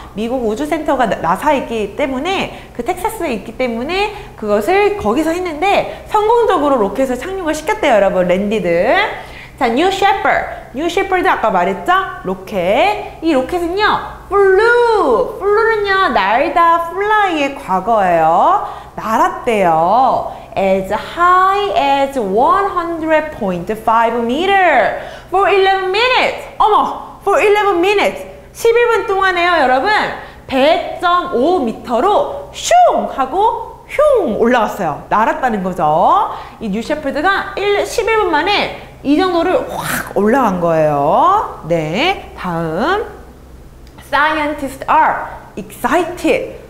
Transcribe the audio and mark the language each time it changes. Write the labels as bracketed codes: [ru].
[ko] 미국 우주센터가 나사에 있기 때문에, 그 텍사스에 있기 때문에 그것을 거기서 했는데 성공적으로 로켓을 착륙을 시켰대요, 여러분, 랜디드. 자, New Shepard. New Shepard 아까 말했죠? 로켓. 이 로켓은요, flew는요, 날다, fly의 과거예요. 날았대요. [en] As high as 100.5 meter for 11 minutes. [ko] 어머, [en] for 11 minutes. [ko] 11분 동안에요, 여러분. 100.5m로 슝 하고 슝 올라갔어요. 날았다는 거죠. 이 뉴 셰퍼드가 11분 만에 이 정도를 확 올라간 거예요. 네, 다음 [en] Scientists are excited.